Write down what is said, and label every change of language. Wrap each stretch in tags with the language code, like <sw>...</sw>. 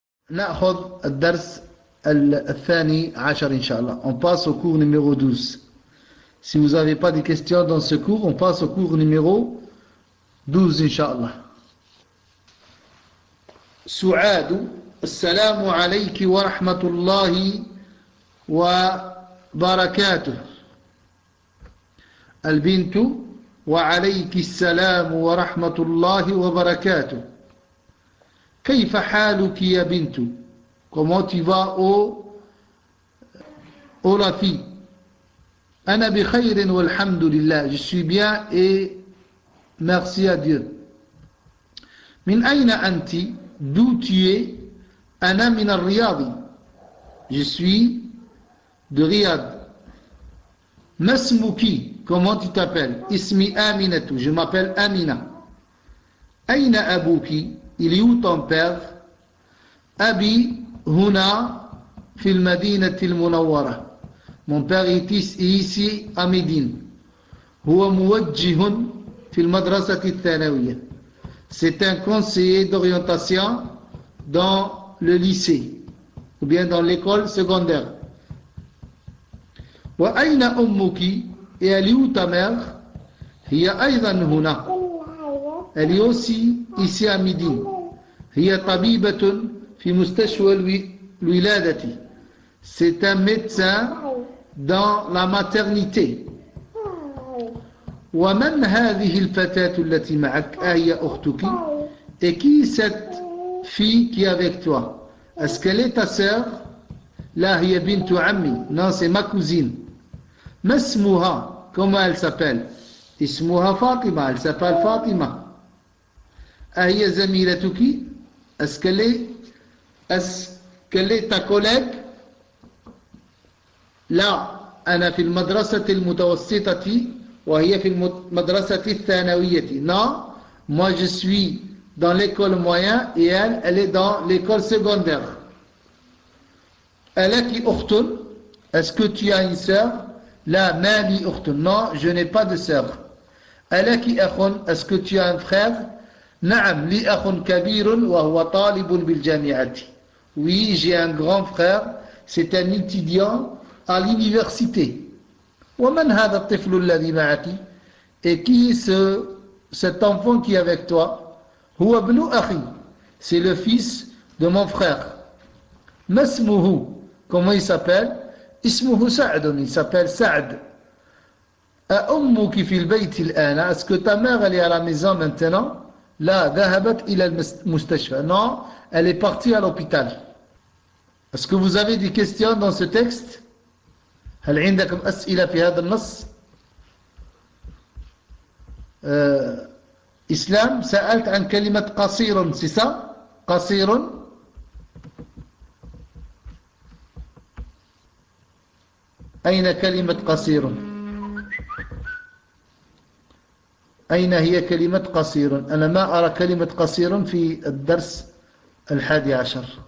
<ar>ناخذ الدرس الثاني عشر ان شاء الله.</ar> <fr>On passe au cours numéro 12. Si vous n'avez pas de questions dans ce cours, on passe au cours numéro 12</fr> <ar>ان شاء الله. سعاد السلام عليك ورحمة الله وبركاته. البنت وعليك السلام ورحمة الله وبركاته. كيف حالك يا بنت؟</ar> <fr>Comment tu vas, ô la fille?</fr> <ar>أنا بخير والحمد لله.</ar> <fr>Je suis bien et merci à Dieu.</fr> <ar>من أين أنت؟</ar> <fr>D'où tu es?</fr> <ar>أنا من الرياض.</ar> <fr>Je suis de Riyad.</fr> <ar>ما اسمك؟</ar> <fr>Comment tu t'appelles?</fr> <ar>اسمي آمينة.</ar> <fr>Je m'appelle آمينة.</fr> <ar>أين أبوك؟</ar> <fr>Il est où ton père?</fr> <ar>أبي هنا في المدينة المنورة.</ar> <fr>Mon père est ici à Médine.</fr> <ar>هو موجه في المدرسة الثانوية.</ar> <fr>C'est un conseiller d'orientation dans le lycée ou bien dans l'école secondaire.</fr> <ar>وأين أمك؟</ar> <fr>Et elle est où ta mère?</fr> <ar>هي أيضا هنا.</ar> <fr>Elle est aussi ici à Médine.</fr> <ar>هي طبيبة في مستشفى الولادة.</ar> <fr>C'est un médecin dans la maternité.</fr> <ar>ومن هذه الفتاة التي معك؟ أهي أختك؟</ar> <fr>Et qui est cette fille qui est avec toi? Est-ce qu'elle est ta sœur?</fr> <ar>لا هي بنت عمي.</ar> <fr>Non, c'est ma cousine.</fr> <ar>ما اسمها؟</ar> <fr>Comment elle s'appelle?</fr> <ar>اسمها فاطمة.</ar> <fr>Elle s'appelle فاطمة.</fr> <ar>أهي زميلتك؟</ar> <fr>Est-ce qu'elle est ta collègue?</fr> <ar>لا أنا في المدرسة المتوسطة وهي في المدرسة الثانوية.</ar> <fr>Non, moi je suis dans l'école moyenne et elle est dans l'école secondaire.</fr> <ar>ألك أخت؟</ar> <fr>Est-ce que tu as une sœur?</fr> <ar>لا ما لي أخت.</ar> <fr>Non, je n'ai pas de sœur.</fr> <ar>ألك أخ؟</ar> <fr>Est-ce que tu as un frère?</fr> <ar>نعم لي أخ كبير وهو طالب بالجامعة.</ar> <fr>Oui, j'ai un grand frère. C'est un étudiant à l'université.</fr> <ar>ومن هذا الطفل الذي معك؟</ar> <fr>Et qui cet enfant qui est avec toi?</fr> <ar>هو ابن أخي.</ar> <fr>C'est le fils de mon frère.</fr> <ar>ما اسمه؟</ar> <fr>Comment il s'appelle?</fr> <ar>اسمه سعد.</ar> <fr>Il s'appelle سعد.</fr> <ar>أمك في البيت الآن؟</ar> <fr>Est-ce que ta mère elle est à la maison maintenant?</fr> <ar>لا ذهبت إلى المستشفى.</ar> <fr>Non, elle est partie à l'hôpital. Est-ce que vous avez des questions dans ce texte?</fr> <ar>هل عندكم أسئلة في هذا النص؟ إسلام سألت عن كلمة قصير سيسا؟ قصير؟ أين كلمة قصير؟ أين هي كلمة قصير؟ أنا ما أرى كلمة قصير في الدرس الحادي عشر.</ar>